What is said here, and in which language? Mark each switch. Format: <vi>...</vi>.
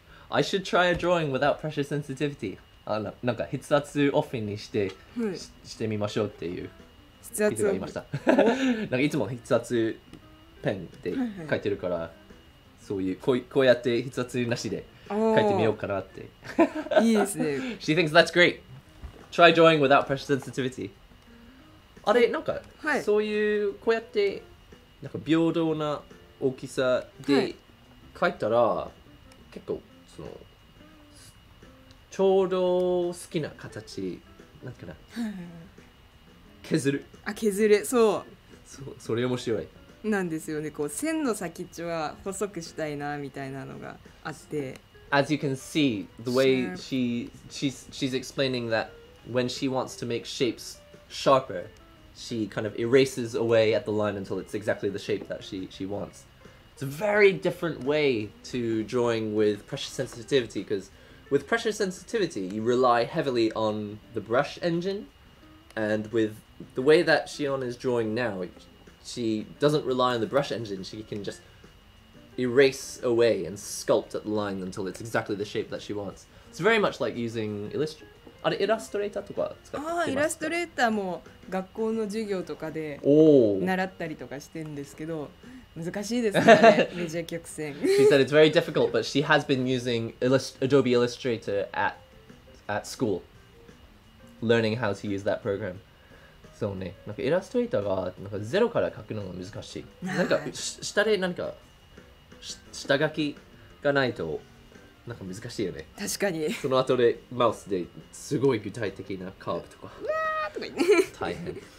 <en>I should try a drawing without pressure sensitivity.</en> <ja>あ、なんか筆圧オフにして、してみましょうっていう。筆圧がいました。なんかいつも筆圧ペンで書いてるから、はいはい、そういうこうやって筆圧なしで書いてみようかなって。いいですね。</ja> <en>She thinks that's great. Try drawing without pressure sensitivity.</en> <ja>あれなんか、はい、そういうこうやってなんか平等な大きさで書いたら、はい、結構そのちょうど好きな形なんかな。はいはい、削る。あ、削る。そう。それ面白い。なんですよね。こう線の先っちょは細くしたいなみたいなのがあって。</ja> <en>As you can see, the way she's explaining that when she wants to make shapes sharper, she kind of erases away at the line until it's exactly the shape that she wants. It's a very different way to drawing with pressure sensitivity, because with pressure sensitivity, you rely heavily on the brush engine, and withThe way that Shion is drawing now, she doesn't rely on the brush engine. She can just erase away and sculpt at the line until it's exactly the shape that she wants. It's very much like using Illustrator</en> <ja>とか使ってますか？イラストレーターも学校の授業とかで習ったりとかしてんですけど、難しいですね、ネジ曲線。</ja> <en>She said it's very difficult, but she has been using Adobe Illustrator at school, learning how to use that program.</en> <ja>そうね、なんかイラストレーターがなんかゼロから描くのが難しい。なんか下で何か下書きがないとなんか難しいよね。確かに。その後でマウスですごい具体的なカーブとか。わーとか言って。大変。</ja>